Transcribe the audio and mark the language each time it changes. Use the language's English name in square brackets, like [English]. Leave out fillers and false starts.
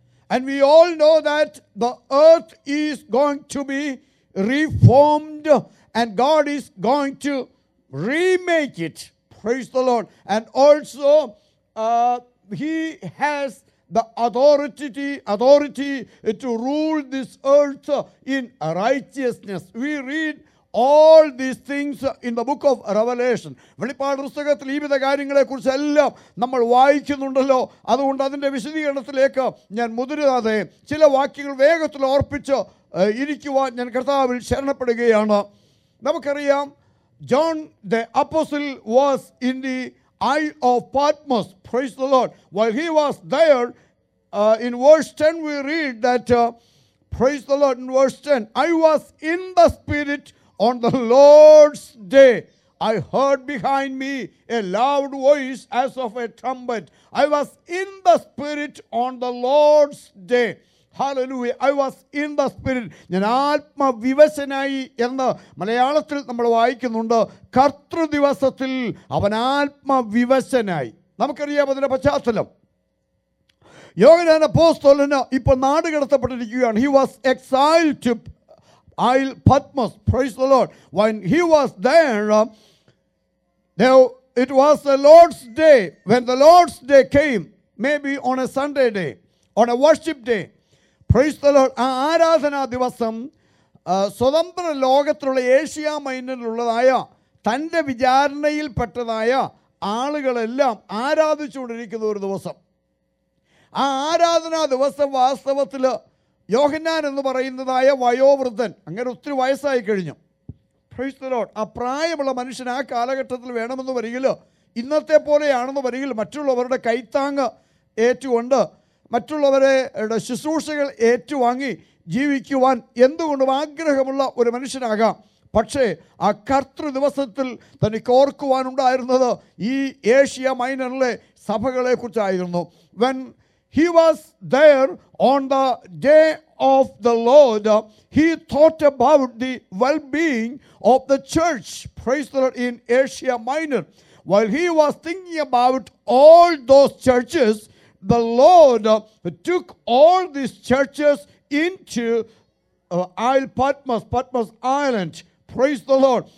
[English] And we all know that the earth is going to be reformed, and God is going to remake it. Praise the Lord. And also he has the authority to rule this earth in righteousness. We read all these things in the book of Revelation. [Malayalam] വെളിപ്പാട് പുസ്തകത്തിൽ ഈ വിധ കാര്യങ്ങളെക്കുറിച്ചെല്ലാം നമ്മൾ വായിക്കുന്നുണ്ടല്ലോ. അതുകൊണ്ട് അതിൻ്റെ വിശദീകരണത്തിലേക്ക് ഞാൻ മുതിരാതെ ചില വാക്യങ്ങൾ വേഗത്തിൽ ഓർപ്പിച്ച് ഇരിക്കുവാൻ ഞാൻ കർത്താവിൽ ശരണപ്പെടുകയാണ്. നമുക്കറിയാം, [English] John the അപ്പോസിൽ was in the I of പാറ്റ്മോസ്. Praise the Lord. Why he was there in verse 10 V read that, praise the Lord, in verse 10, I was in the spirit on the Lord's day. I heard behind me a loud voice as of a trumpet. I was in the spirit on the Lord's day. Hallelujah. I was in the spirit. [Malayalam] ഞാൻ ആത്മവിവശനായി എന്ന് മലയാളത്തിൽ നമ്മൾ വായിക്കുന്നുണ്ട്. കർത്തൃദിവസത്തിൽ അവൻ ആത്മവിവശനായി. നമുക്കറിയാം അതിൻ്റെ പശ്ചാത്തലം. യോഹന്നാൻ അപ്പോസ്തലന് ഇപ്പോൾ നാട് കടത്തപ്പെട്ടിരിക്കുകയാണ്. [English] He was exiled to Isle Patmos. Praise the Lord. When he was there, it was the Lord's Day. When the Lord's Day came, maybe on a Sunday day, on a worship day. Praise the Lord. [Malayalam] ആരാധനാ ദിവസം സ്വതന്ത്ര ലോകത്തിലുള്ള Asia മൈനറിലുള്ളതായ തൻ്റെ വിചാരണയിൽപ്പെട്ടതായ ആളുകളെല്ലാം ആരാധിച്ചുകൊണ്ടിരിക്കുന്ന ഒരു ദിവസം. ആ ആരാധനാ ദിവസം വാസ്തവത്തിൽ യോഹന്നാൻ എന്ന് പറയുന്നതായ വയോവൃദ്ധൻ, അങ്ങനെ ഒത്തിരി വയസ്സായി കഴിഞ്ഞു. [English] Praise the Lord. [Malayalam] ആ പ്രായമുള്ള മനുഷ്യൻ ആ കാലഘട്ടത്തിൽ വേണമെന്ന് വരികിൽ, ഇന്നത്തെ പോലെയാണെന്ന് വരികിൽ, മറ്റുള്ളവരുടെ കൈത്താങ്ങ് ഏറ്റുകൊണ്ട് മറ്റുള്ളവരുടെ ശുശ്രൂഷകൾ ഏറ്റുവാങ്ങി ജീവിക്കുവാൻ എന്തുകൊണ്ടും ആഗ്രഹമുള്ള ഒരു മനുഷ്യനാകാം. പക്ഷേ ആ കർത്തൃ ദിവസത്തിൽ തനിക്ക് ഓർക്കുവാനുണ്ടായിരുന്നത് ഈ Asia മൈനറിലെ സഭകളെക്കുറിച്ചായിരുന്നു. [English] When he was there on the day of the Lord, he thought about the well-being of the church, praise the Lord, in Asia Minor. While he was thinking about all those churches, the Lord took all these churches into Isle Patmos, Patmos Island. Praise the Lord.